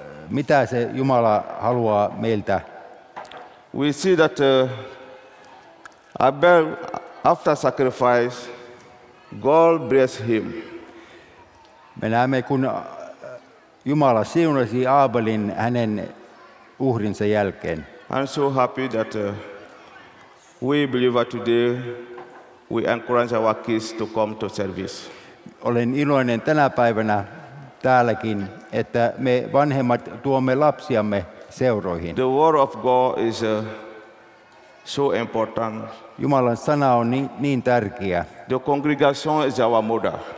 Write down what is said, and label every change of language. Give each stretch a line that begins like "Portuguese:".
Finnish: Mitä se Jumala haluaa meiltä?
English: We see that Abel, after sacrifice, God bless him.
Finnish: Me näemme, kun Jumala siunasi Abelin hänen uhrinsa jälkeen.
English: I'm so happy that we believe today we encourage our kids to come to service.
Finnish: Olen iloinen tänä päivänä täälläkin, että me vanhemmat tuomme lapsiamme seuroihin.
English: The word of God is so important.
Finnish: Jumalan sana on niin tärkeä.
English: The congregation is our mother.